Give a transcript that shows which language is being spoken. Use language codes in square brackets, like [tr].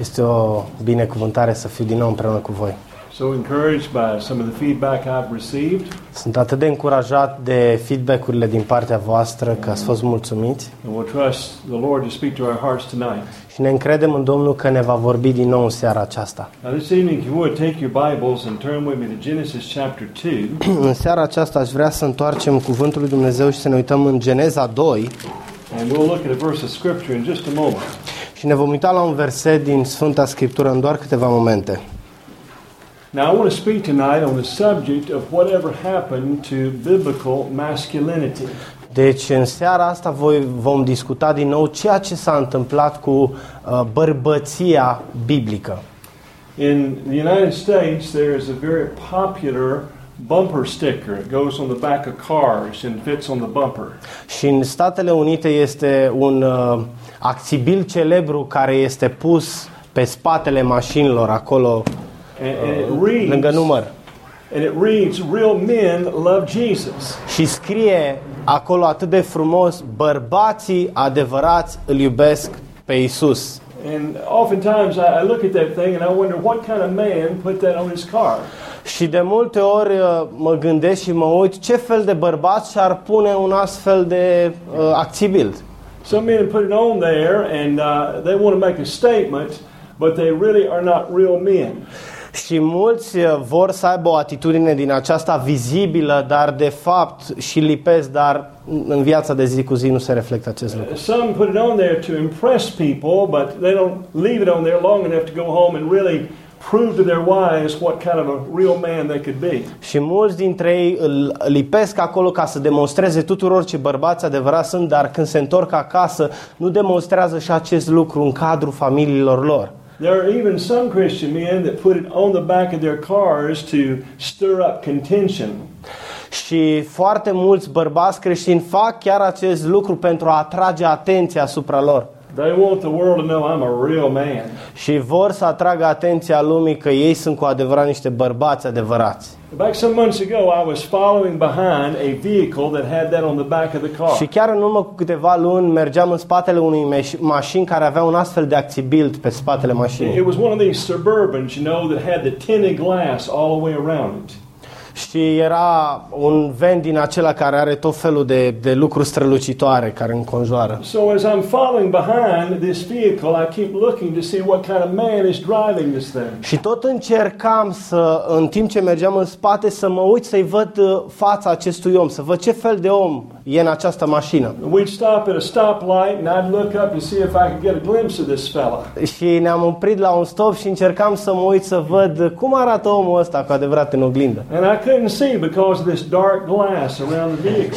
[ro] Este o binecuvântare să fiu din nou împreună cu voi. [en] So encouraged by some of the feedback I've received. [ro] Sunt atât de încurajat de feedback-urile din partea voastră că ați fost mulțumiți. [en] And we'll trust the Lord to speak to our hearts tonight. [ro] Și ne încredem în Domnul că ne va vorbi din nou în seara aceasta. [en] Now this evening, if you would take your Bibles and turn with me to Genesis chapter 2. [ro] În seara aceasta aș vrea să întoarcem cuvântul lui Dumnezeu și să ne uităm în Geneza 2. [en] And we'll look at a verse of scripture in just a moment. [ro] Și ne vom uita la un verset din Sfânta Scriptură în doar câteva momente. [en] Now I want to speak tonight on the subject of whatever happened to biblical masculinity. [ro] Deci în seara asta vom discuta din nou ceea ce s-a întâmplat cu bărbăția biblică. [en] In the United States there is a very popular bumper sticker. It goes on the back of cars and fits on the bumper. [ro] Și în Statele Unite este un acțibil celebru care este pus pe spatele mașinilor acolo. Lângă număr. [en] And it reads, "Real men love Jesus." [ro] Și scrie acolo atât de frumos, bărbații adevărați îl iubesc pe Iisus. [en] And oftentimes I look at that thing and I wonder what kind of man put that on his car. [ro] Și de multe ori mă gândesc și mă uit ce fel de bărbat și-ar pune un astfel de acțibil. [en] Some men put it on there and they want to make a statement, but they really are not real men. [ro] Și mulți vor să aibă o atitudine din aceasta vizibilă, dar de fapt și lipesc, dar în viața de zi cu zi nu se reflectă acest lucru. [en] Some put it on there to impress people, but they don't leave it on there long enough to go home and really prove to their wives what kind of a real man they could be. [ro] Și mulți dintre ei îl lipesc acolo ca să demonstreze tuturor ce bărbați adevărați sunt, dar când se întorc acasă, nu demonstrează și acest lucru în cadrul familiilor lor. [en] There are even some Christian men that put it on the back of their cars to stir up contention. [ro] Și foarte mulți bărbați creștini fac chiar acest lucru pentru a atrage atenția asupra lor. [en] They want the world to know I'm a real man. [ro] Și vor să atragă atenția lumii că ei sunt cu adevărat niște bărbați adevărați. [en] Back some months ago, I was following behind a vehicle that had that on the back of the car. [ro] Și chiar în urmă cu câteva luni mergeam în spatele unei mașini care avea un astfel de acțibil pe spatele mașinii. [en] It was one of these Suburbans, you know, that had the tinted glass all the way around it. [ro] Și era un van din acela care are tot felul de lucruri strălucitoare care înconjoară. [en] So as I'm following behind this vehicle, I keep looking to see what kind of man is driving this thing. [ro] Și tot încercam să, în timp ce mergeam în spate, să mă uit să-i văd fața acestui om, să văd ce fel de om e în această mașină. [en] We'd stop at a stoplight and I'd look up to see if I could get a glimpse of this fella. [ro] Și ne-am oprit la un stop și încercam să mă uit să văd cum arată omul ăsta cu adevărat în oglindă. [en] And I couldn't see because of this dark glass around the vehicle.